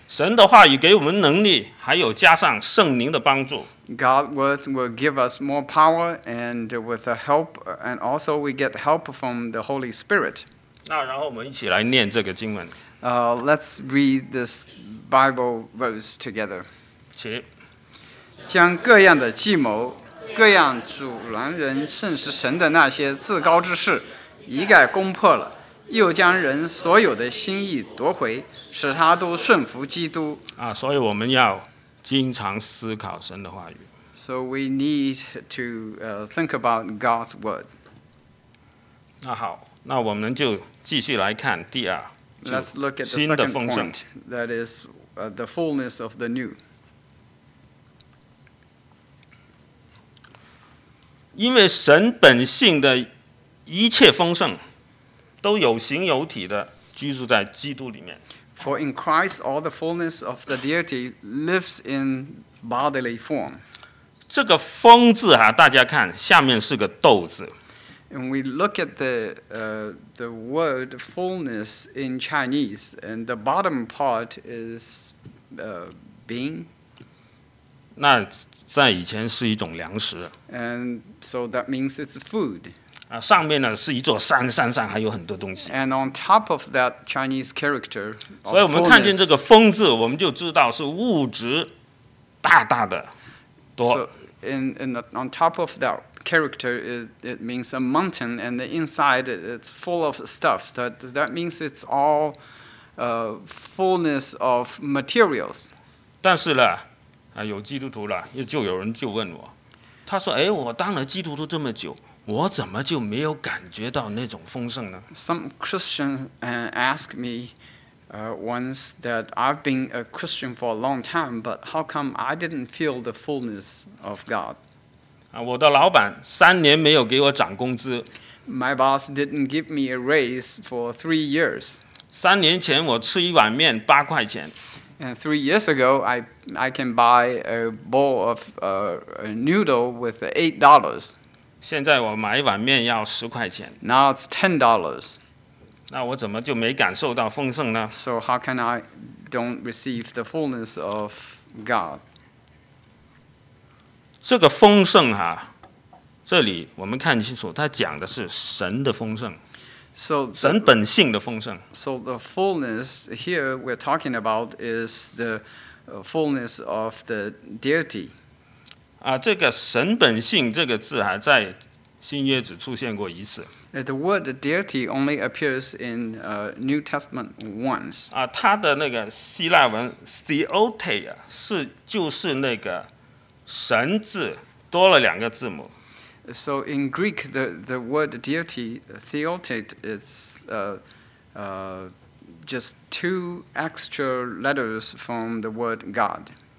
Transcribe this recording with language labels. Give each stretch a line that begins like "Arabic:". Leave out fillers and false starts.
Chinese: 神的话语给我们能力，还有加上圣灵的帮助。
English: God's words will give us more power, and with the help, and also we get help from the Holy Spirit.
Chinese: 那然后我们一起来念这个经文。
English: Let's read this Bible verse together.
Chinese: 请。将各样的计谋、各样阻拦人甚是神的那些自高之事，一概攻破了，又将人所有的心意夺回，使他都顺服基督。所以我们要。经常思考神的话语。
English: So we need to think about God's word.
Chinese: 那好，那我们就继续来看第二。
English: Let's look at the second point. That is the fullness of the new.
Chinese: 因为神本性的一切丰盛，都有形有体的居住在基督里面。
English: For in Christ all the fullness of the deity lives in bodily form.
Chinese: 这个丰字啊，大家看，下面是个豆字。
English: And we look at the word fullness in Chinese, and the bottom part is being.
Chinese: 那在以前是一种粮食。
English: And so that means it's food.
Chinese: 啊，上面呢是一座山，山上还有很多东西。
English: And on top of that Chinese character, of fullness,
Chinese: 所以我们看见这个丰字，我们就知道是物质大大的多。
English: So on top of that. Character it means a mountain, and the inside it's full of stuff. That means it's all fullness of materials.
Chinese: 但是呢，啊，有基督徒了，又就有人就问我，他说：“哎，我当了基督徒这么久，我怎么就没有感觉到那种丰盛呢？”
English: Some Christians ask me once that I've been a Christian for a long time, but how come I didn't feel the fullness of God?
Chinese: 我的老板三年没有给我涨工资。
English: My boss didn't give me a raise for 3 years.
Chinese: 三年前我吃一碗面八块钱。
English: And 3 years ago, I can buy a bowl of a noodle with $8.
Chinese: 现在我买一碗面要十块钱。
English: Now it's $10.
Chinese: 那我怎么就没感受到丰盛呢？
English: So how can I don't receive the fullness of God?
Chinese: 这个丰盛哈，这里我们看清楚，它讲的是神的丰盛，神本性的丰盛。
English: So the fullness here we're talking about is the fullness of the deity.
Chinese: 啊，这个神本性这个字还在新约只出现过一次。
English: The word deity only appears in New Testament once.
Chinese: 啊，它的那个希腊文 theotia 是就是那个。神字多了两个字母。
English: So in Greek, the word deity, theotate, it's just two extra letters from the word God.